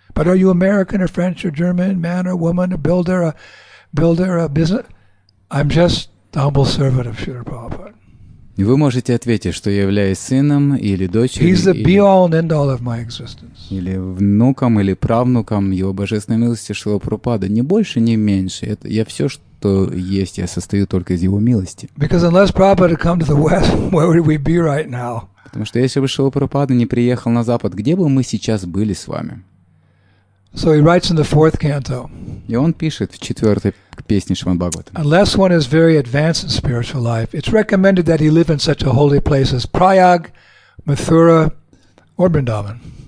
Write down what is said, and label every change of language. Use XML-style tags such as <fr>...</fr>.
<en>But are you American or French or German, man or woman, a builder, a business? I'm just the humble servant of Srila Prabhupada.</en> <ru>Вы можете ответить, что я являюсь сыном или дочерью.</ru> <en>He's the be-all and end-all of my existence.</en> <ru>Или внуком, или правнуком его божественной милости Шрила Прабхупады. Ни больше, ни меньше. Это я все, что есть, я состою только из его милости.</ru> <en>Because unless Prabhupada had come to the West, where would we be right now?</en> <ru>Потому что если бы Шрила Прабхупада не приехал на Запад, где бы мы сейчас были с вами?</ru> <en>So he writes in the fourth canto.</en> <ru>И он пишет в четвертой песне Шримад-Бхагаватам.</ru> <en>Unless one is very advanced in spiritual life, it's recommended that he live in such a holy place as Prayag, Mathura, or Vrindavan.</en>